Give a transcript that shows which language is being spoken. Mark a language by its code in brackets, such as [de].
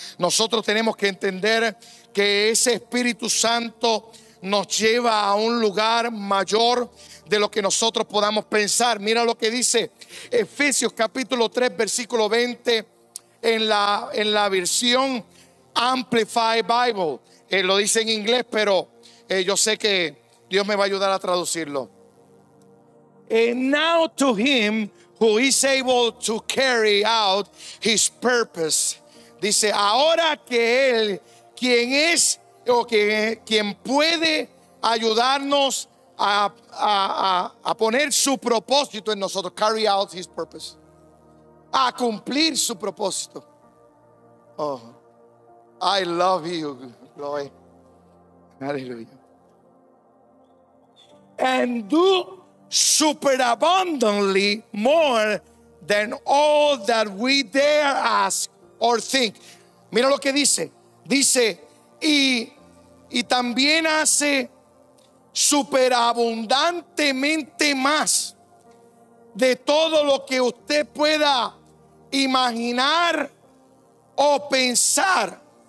[es] Nosotros tenemos que entender que ese Espíritu Santo nos lleva a un lugar mayor de lo que nosotros podamos pensar. Mira lo que dice Efesios capítulo 3 versículo 20 en la versión Amplified Bible. Lo dice en inglés, pero yo sé que Dios me va a ayudar a traducirlo. [en] And now to him who is able to carry out his purpose. [es] Dice, ahora que él, quien es o quien puede ayudarnos a poner su propósito en nosotros, [en] carry out his purpose, [es] a cumplir su propósito. [en] Oh, I love you, Chloe. Aleluya. And do superabundantly more than all that we dare ask or think. [es] Mira lo que dice. Dice, y también hace superabundantemente más de todo lo que usted pueda imaginar o pensar,